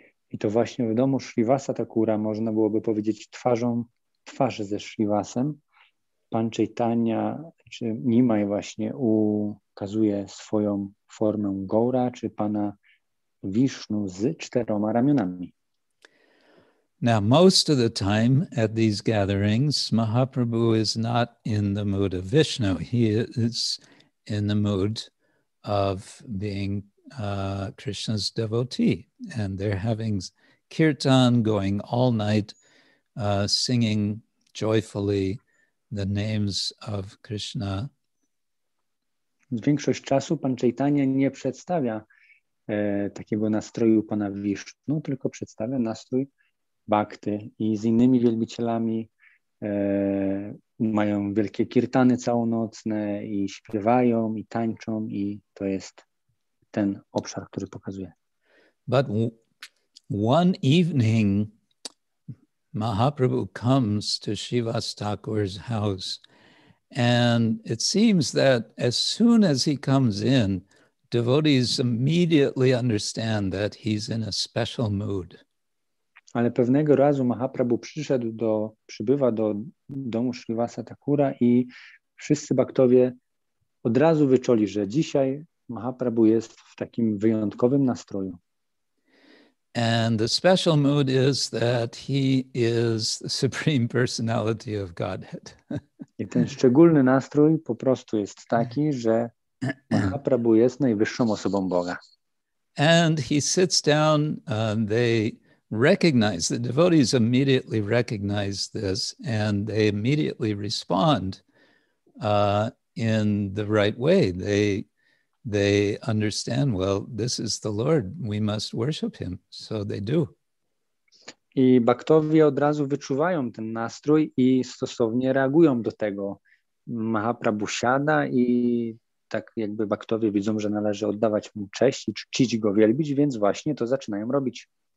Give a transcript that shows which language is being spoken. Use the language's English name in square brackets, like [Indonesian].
[Polish] I to właśnie w domu Śrivasa Thakura, można byłoby powiedzieć twarzą twarz ze Śrivasem, Pan Chaitanya, czy Nimai właśnie ukazuje swoją formę Gaura, czy Pana Wisznu z czteroma ramionami. [English] Now, most of the time at these gatherings, Mahaprabhu is not in the mood of Vishnu. He is in the mood of being Krishna's devotee. And they're having kirtan going all night, singing joyfully the names of Krishna. [Polish] Większość czasu Pan Chaitanya nie przedstawia takiego nastroju Pana Vishnu, tylko przedstawia nastrój Bhakty i z innymi wielbicielami mają wielkie kirtany całonocne i śpiewają i tańczą i to jest ten obszar, który pokazuje. [English] But one evening Mahaprabhu comes to Śrivas Thakura's house and it seems that as soon as he comes in, devotees immediately understand that he's in a special mood. [Polish] Ale pewnego razu Mahaprabhu przybywa do domu Śrivasa Thakura i wszyscy bhaktowie od razu wyczuli, że dzisiaj Mahaprabhu jest w takim wyjątkowym nastroju. [English] And the special mood is that he is the Supreme Personality of Godhead. [Polish] I ten szczególny nastrój po prostu jest taki, że Mahaprabhu jest najwyższą osobą Boga. [English] And he sits down, the devotees immediately recognize this and they immediately respond in the right way. They understand, well, this is the Lord, we must worship him. So they do. [Polish] I bhaktowie od razu wyczuwają ten nastrój i stosownie reagują do tego. Mahaprabhu siada i tak jakby bhaktowie widzą, że należy oddawać mu cześć i czcić go, wielbić, więc właśnie to zaczynają robić.